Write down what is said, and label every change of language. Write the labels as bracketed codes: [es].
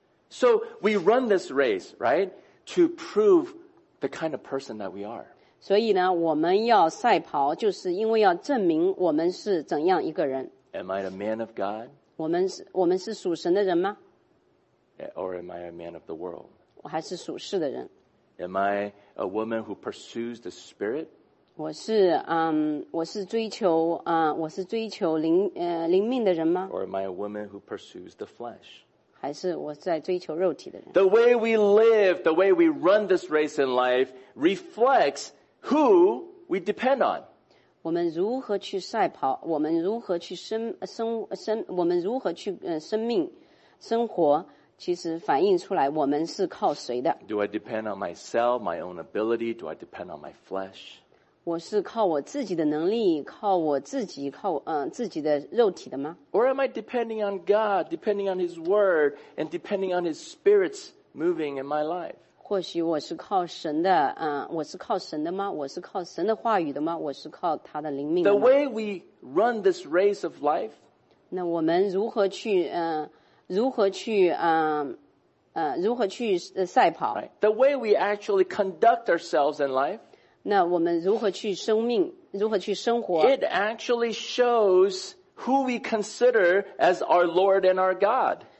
[en] So we run this race, right, to prove the kind of person that we are. [zh] 所以呢，我们要赛跑，就是因为要证明我们是怎样一个人。 [en] Am I a man of God? [zh] 我们是属神的人吗？ [en] Or am I a man of the world? [zh] 我还是属世的人。 [en] Am I a woman who pursues the spirit? [zh] 我是追求灵命的人吗？ [en] Or am I a woman who pursues the flesh? [zh] 还是我在追求肉体的人？ [en] The way we live, the way we run this race in life reflects who we depend on. [zh] 我们如何去赛跑？我们如何去生活？其实反映出来我们是靠谁的。 [en] Do I depend on myself, my own ability? Do I depend on my flesh? [zh] 我是靠我自己的能力，靠我自己，靠自己的肉体的吗？ [en] Or am I depending on God, depending on His Word, and depending on His Spirit's moving in my life? [zh] 或许我是靠神的，我是靠神的吗？我是靠神的话语的吗？我是靠他的灵命的吗？ [en] The way we run this race of life, [zh] 那我们如何去赛跑？ [en] Right. The way we actually conduct ourselves in life, [zh] 那我们如何去生命，如何去生活？ [en] It actually shows who we consider as our Lord and our God.